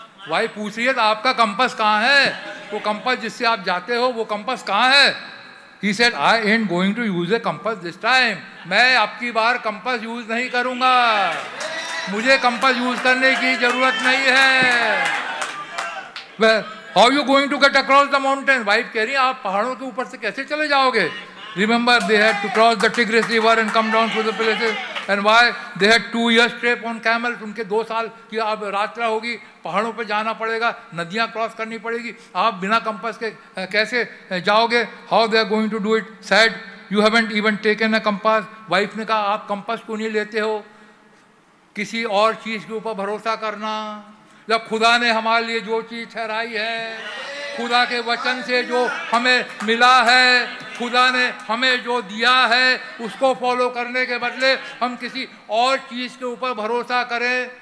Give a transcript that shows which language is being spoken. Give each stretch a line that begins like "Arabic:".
Hindi: Wife पूछ रही है तो आपका कंपास कहाँ है, वो कंपास जिससे आप जाते हो वो कंपास कहाँ है।
English: he said I ain't going to use a compass this time,
Hindi: मैं आपकी बार कंपास यूज नहीं करूँगा, मुझे कंपास यूज करने की जरूरत नहीं है।
English: How you going to get across the mountain?
Hindi: Wife कह रही है आप पहाड़ों के ऊपर से कैसे चले जाओगे?
English: Remember they had to cross the Tigris River and come down to the places. And why they had 2 years trip on camels?
Hindi: उनके 2 साल की आप यात्रा होगी, पहाड़ों पर जाना पड़ेगा, नदियाँ क्रॉस करनी पड़ेगी, आप बिना कंपास के कैसे जाओगे?
English: How they are going to do it? Said you haven't even taken a compass.
Hindi: Wife ने कहा आप कंपास क्यों नहीं लेते हो? किसी और चीज के ऊपर भरोसा करना, जब खुदा ने हमारे लिए जो चीज़ ठहराई है, खुदा के वचन से जो हमें मिला है, खुदा ने हमें जो दिया है उसको फॉलो करने के बदले हम किसी और चीज़ के ऊपर भरोसा करें।